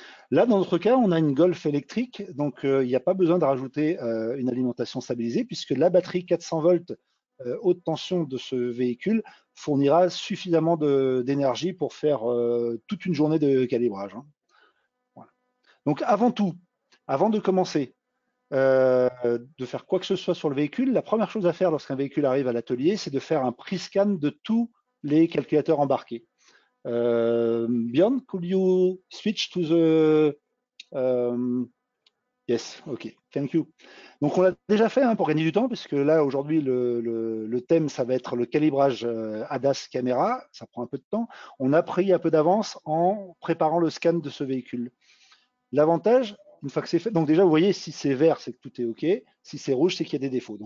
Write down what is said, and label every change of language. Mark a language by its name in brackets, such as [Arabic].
[French] Là, dans notre cas, on a une Golf électrique, donc il n'y a pas besoin de rajouter une alimentation stabilisée, puisque la batterie 400 volts haute tension de ce véhicule fournira suffisamment d'énergie pour faire toute une journée de calibrage. Hein. Donc, avant tout, avant de commencer de faire quoi que ce soit sur le véhicule, la première chose à faire lorsqu'un véhicule arrive à l'atelier, c'est de faire un pre-scan de tous les calculateurs embarqués. [English] Bjorn, could you switch to the yes, ok, thank you. [French] Donc on l'a déjà fait hein, pour gagner du temps, puisque là aujourd'hui le thème ça va être le calibrage ADAS caméra, ça prend un peu de temps. On a pris un peu d'avance en préparant le scan de ce véhicule. L'avantage, une fois que c'est fait, donc déjà vous voyez si c'est vert c'est que tout est ok, si c'est rouge c'est qu'il y a des défauts.